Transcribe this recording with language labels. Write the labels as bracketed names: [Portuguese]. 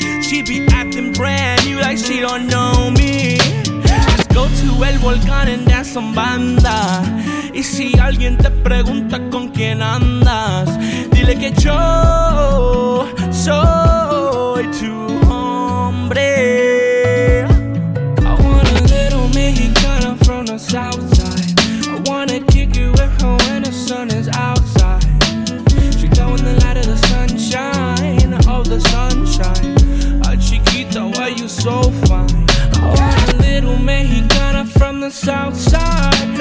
[English] She be acting brand new like she don't know me. Just go to El Volcán and dance some banda. [Spanish] Y si alguien te pregunta con quién andas, dile que yo soy tu hombre. [English] I want a little Mexicana from the south side. I wanna kick it with her when the sun is outside. She got in the light of the sunshine, of the sunshine. A chiquita, why you so fine? I want a little Mexicana from the south side.